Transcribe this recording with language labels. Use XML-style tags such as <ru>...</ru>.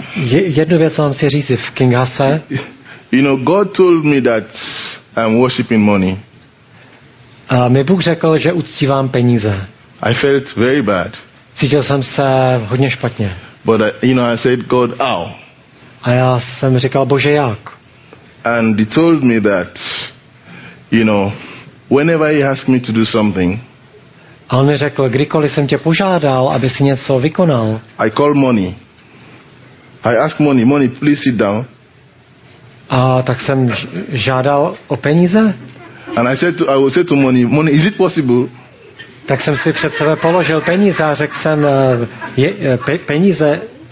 <cs>jednu věc vám chci říct, v Kinshase.</cs> <en>You know, God told me that I'm worshiping money.</en> <cs>Mi Bůh řekl, že uctívám peníze.</cs> <en>I felt very bad.</en> <cs>Cítil jsem se hodně špatně.</cs> <en>But you know, I said, God, how?</en> <cs>A já jsem říkal, Bože, jak?</cs> <en>And he told me that, you know, whenever he asked me to do something.</en> <cs>A on mi řekl, kdykoliv jsem tě požádal, aby si něco vykonal.</cs> <en>I call money. I ask money, money, please sit down.</en> <cs>A tak jsem žádal o peníze.</cs> <en>And I will say to money, money, is it possible?</en> <cs>Tak jsem si před sebe položil peníze a řekl jsem, peníze.</cs>